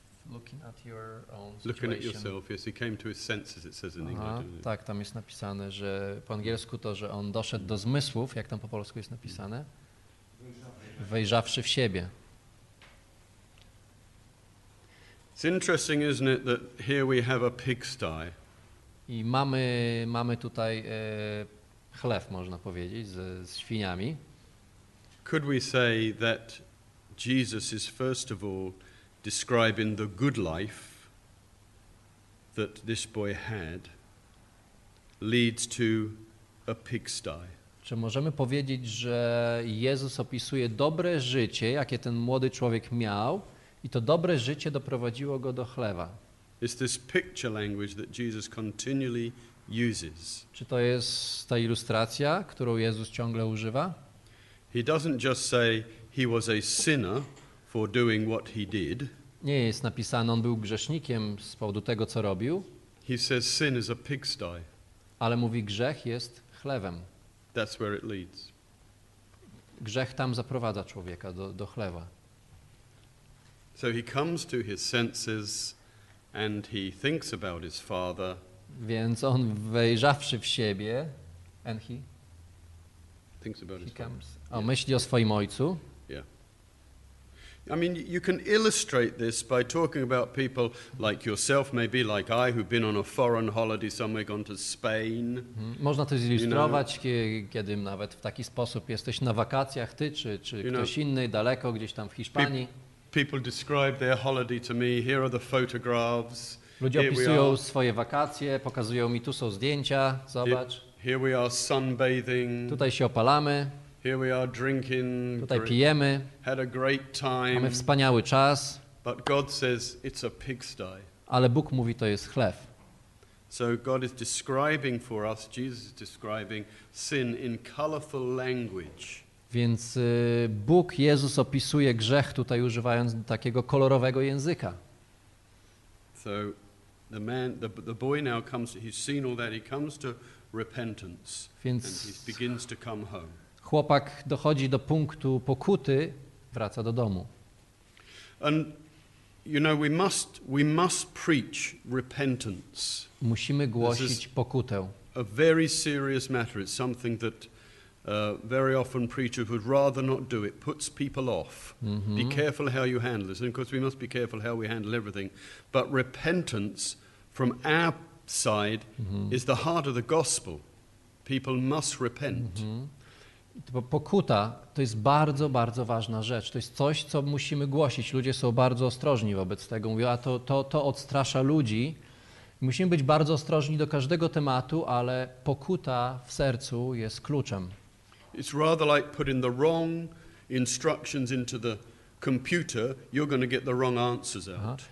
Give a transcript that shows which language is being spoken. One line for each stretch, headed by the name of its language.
English: Looking at yourself, yes, he came to his senses, it says in English.
Polish: Tak, tam jest napisane, że po angielsku to, że on doszedł do zmysłów, jak tam po polsku jest napisane, wejrzawszy w siebie.
English: It's interesting, isn't it, that here we have a pigsty.
Polish: I mamy tutaj chlew, można powiedzieć, z świniami.
English: Could we say that Jesus is first of all describing the good life that this boy had leads to a pigsty.
Polish: Czy możemy powiedzieć, że Jezus opisuje dobre życie, jakie ten młody człowiek miał, i to dobre życie doprowadziło go do chlewa?
English: It's this picture language that Jesus continually uses.
Polish: Czy to jest ta ilustracja, którą Jezus ciągle używa?
English: He doesn't just say he was a sinner for doing what he did.
Polish: Nie jest napisane, on był grzesznikiem z powodu tego, co robił.
English: He says sin is a pigsty.
Polish: Ale mówi, grzech jest chlewem.
English: That's where it leads.
Polish: Grzech tam zaprowadza człowieka do chlewa.
English: So he comes to his senses and he thinks about his father.
Polish: Więc on, wejrzawszy w siebie,
English: and he thinks about he his comes. Father.
Polish: O,
English: yeah.
Polish: Myśli o swoim ojcu.
English: I mean, you can illustrate this by talking about people like yourself, maybe like I, who've been on a foreign holiday somewhere, gone to Spain.
Polish: Można to zilustrować,
English: you know?
Polish: Kiedy nawet w taki sposób jesteś na wakacjach, ty czy
English: you
Polish: ktoś
English: know?
Polish: Inny, daleko, gdzieś tam w Hiszpanii.
English: People describe their holiday to me. Here are the photographs.
Polish: Ludzie opisują swoje wakacje, pokazują mi, tu są zdjęcia, zobacz.
English: Here we are sunbathing.
Polish: Tutaj się opalamy.
English: Here we are drinking.
Polish: Tutaj pijemy.
English: Had a great time.
Polish: Mamy wspaniały czas.
English: But God says it's a pigsty.
Polish: Ale Bóg mówi, to jest chlew.
English: So God is describing for us, Jesus is describing sin in colorful language.
Polish: Więc Bóg, Jezus opisuje grzech tutaj, używając takiego kolorowego języka.
English: So the man, the boy now comes, he's seen all that, he comes to repentance.
Polish: Więc
English: and he begins to come home.
Polish: Chłopak dochodzi do punktu pokuty, wraca do domu.
English: And you know, we must preach repentance.
Polish: Musimy głosić pokutę.
English: A very serious matter. It's something that very often preachers would rather not do. It puts people off. Mm-hmm. Be careful how you handle this. And of course we must be careful how we handle everything. But repentance from our side is the heart of the gospel. People must repent. Mm-hmm.
Polish: Pokuta to jest bardzo, bardzo ważna rzecz. To jest coś, co musimy głosić. Ludzie są bardzo ostrożni wobec tego. Mówią, a to odstrasza ludzi. Musimy być bardzo ostrożni do każdego tematu, ale pokuta w sercu jest kluczem.
English: It's rather like putting the wrong instructions into the computer, you're going to get the wrong answers out.